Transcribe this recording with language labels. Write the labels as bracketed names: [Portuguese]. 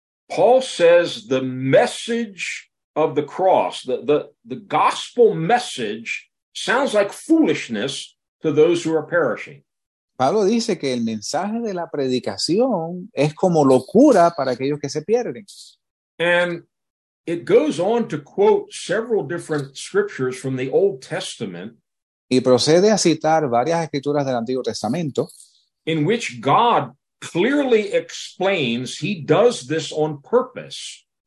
[English] Paul says the message of the cross, the gospel message, sounds like foolishness to those who are perishing. [Spanish] Pablo dice que el mensaje de la predicación es como locura para aquellos que se pierden. [English] And it goes on to quote several different scriptures from the Old Testament. [Spanish] Y procede a citar varias escrituras del Antiguo Testamento. [English] In which God clearly explains he does this on purpose.